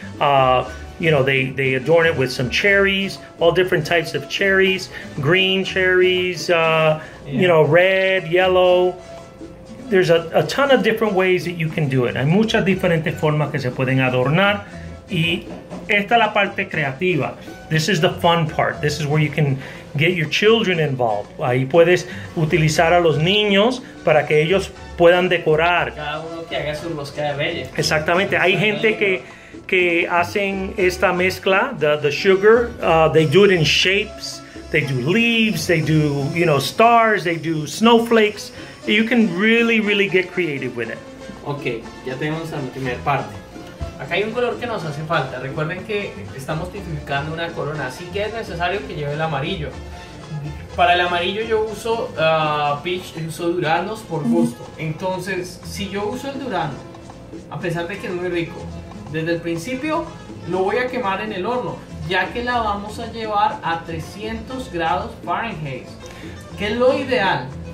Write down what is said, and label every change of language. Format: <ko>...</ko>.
<en>They adorn it with some cherries, all different types of cherries, green cherries, red, yellow. There's a ton of different ways that you can do it.</en> <es>Hay muchas diferentes formas que se pueden adornar. Y esta es la parte creativa.</es> <en>This is the fun part. This is where you can get your children involved.</en> <es>Ahí puedes utilizar a los niños para que ellos puedan decorar. Cada uno que haga su rosca de reyes. Exactamente. Hay gente que hacen esta mezcla,</es> <en>the sugar. They do it in shapes. They do leaves. They do, stars. They do snowflakes. You can really, really get creative with it.</en> <es>Okay, ya tenemos la primera parte. Acá hay un color que nos hace falta. Recuerden que estamos tipificando una corona, así que es necesario que lleve el amarillo. Para el amarillo yo uso peach, uso duraznos por gusto. Entonces, si yo uso el durazno, a pesar de que es muy rico, desde el principio lo voy a quemar en el horno, ya que la vamos a llevar a 300 grados Fahrenheit, que es lo ideal.</es>